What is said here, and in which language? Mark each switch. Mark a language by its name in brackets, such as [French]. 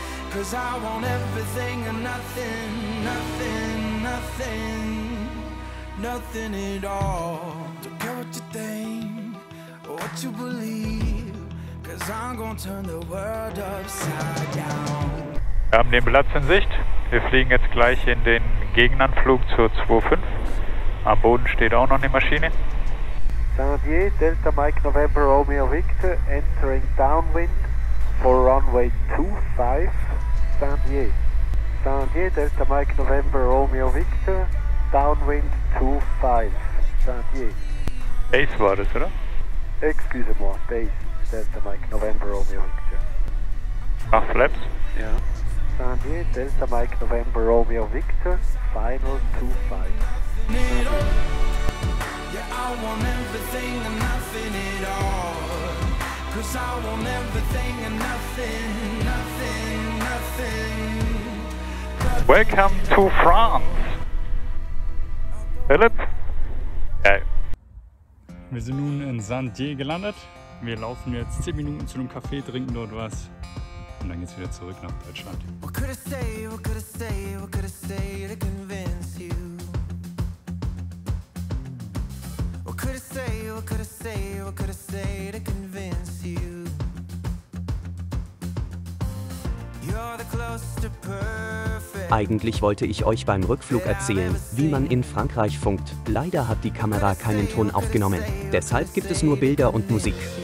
[English] Cause I want everything and nothing, nothing, nothing, nothing at all. Don't care what you think or what you believe. Cause I'm gonna turn the world upside down. [German] Wir haben den Platz in Sicht. Wir fliegen jetzt gleich in den Gegenanflug zur 25. Am Boden steht auch noch eine Maschine. [English] Saint-Dié, Delta Mike November Romeo Victor, entering downwind for runway 25, Saint-Dié. Saint-Dié, Delta Mike November Romeo Victor, downwind 25, Saint-Dié. [German] Base war das, oder? [French] Excusez-moi, [English] base, Delta Mike November Romeo Victor. [German] Ach, flaps? [English] Ja. Saint-Dié, Delta Mike November Romeo Victor, final 25. I want everything and nothing at all. Cause I want everything and nothing, nothing, nothing. Welcome to France. Philipp? Hey. [German] Wir sind nun in Saint-Dié gelandet. Wir laufen jetzt 10 Minuten zu einem Café, trinken dort was. Und dann geht's wieder zurück nach Deutschland. [English] What could I say, what could I say, what could I say to convince you? What could I say, what could I say, what could I say to convince you? You're the closest to perfect. [German] Eigentlich wollte ich euch beim Rückflug erzählen, wie man in Frankreich funkt. Leider hat die Kamera keinen Ton aufgenommen. Deshalb gibt es nur Bilder und Musik.